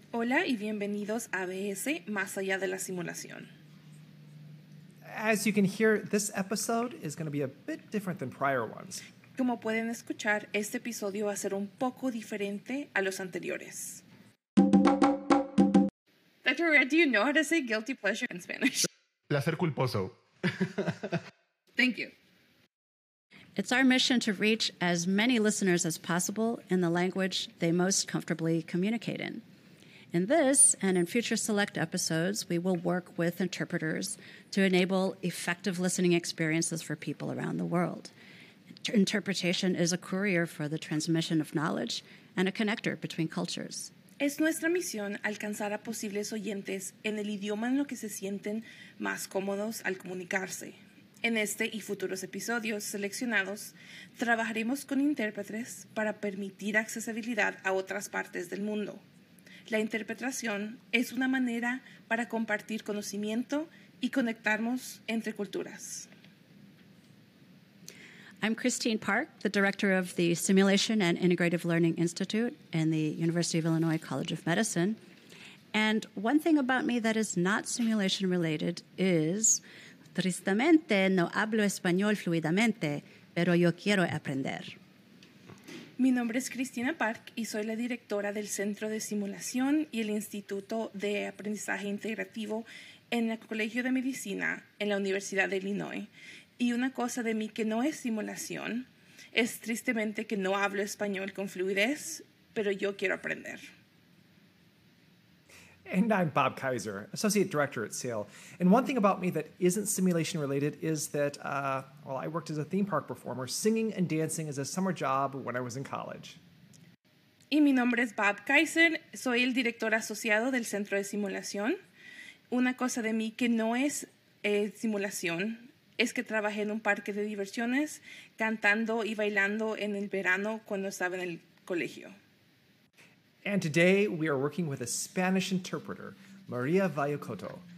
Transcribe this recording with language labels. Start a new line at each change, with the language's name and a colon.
Spanish: Hola y bienvenidos a BS Más Allá de la Simulación.
English: As you can hear, this episode is going to be a bit different than prior ones.
Spanish: Como pueden escuchar, este episodio va a ser un poco diferente a los anteriores.
English: Dr. Red, do you know how to say guilty pleasure in Spanish?
Spanish: Placer culposo.
English: Thank you. It's our mission to reach as many listeners as possible in the language they most comfortably communicate in. In this and in future select episodes, we will work with interpreters to enable effective listening experiences for people around the world. Interpretation is a courier for the transmission of knowledge and a connector between cultures.
Spanish: Es nuestra misión alcanzar a posibles oyentes en el idioma en lo que se sienten más cómodos al comunicarse. En este y futuros episodios seleccionados, trabajaremos con intérpretes para permitir accesibilidad a otras partes del mundo. La interpretación es una manera para compartir conocimiento y conectarnos entre culturas.
English: I'm Christine Park, the director of the Simulation and Integrative Learning Institute in the University of Illinois College of Medicine. And one thing about me that is not simulation related is,
Spanish: tristemente no hablo español fluidamente, pero yo quiero aprender. Mi nombre es Cristina Park y soy la directora del Centro de Simulación y el Instituto de Aprendizaje Integrativo en el Colegio de Medicina en la Universidad de Illinois. Y una cosa de mí que no es simulación es tristemente que no hablo español con fluidez, pero yo quiero aprender.
English: And I'm Bob Kaiser, Associate Director at SAIL. And one thing about me that isn't simulation related is that, I worked as a theme park performer. Singing and dancing is a summer job when I was in college.
Spanish: Y mi nombre es Bob Kaiser. Soy el director asociado del Centro de Simulación. Una cosa de mí que no es simulación es que trabajé en un parque de diversiones cantando y bailando en el verano cuando estaba en el colegio.
English: And today we are working with a Spanish interpreter, Maria Vallecoto.